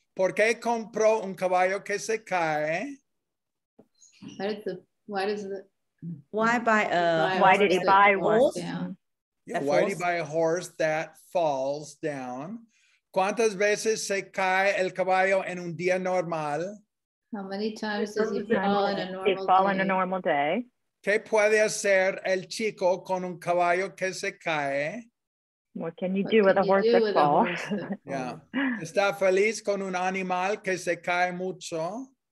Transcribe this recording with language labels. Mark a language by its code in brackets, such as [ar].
[es] ¿Por qué compró un caballo que se cae? [en] Why did he buy a horse that falls down? [es] ¿Cuántas veces se cae el caballo en un día normal? [en] How many times does he fall in a normal day? [es] ¿Qué puede hacer el chico con un caballo que se cae? [en] What can you do with a horse that falls? Yeah. [es] ¿Está feliz con un animal que se cae mucho?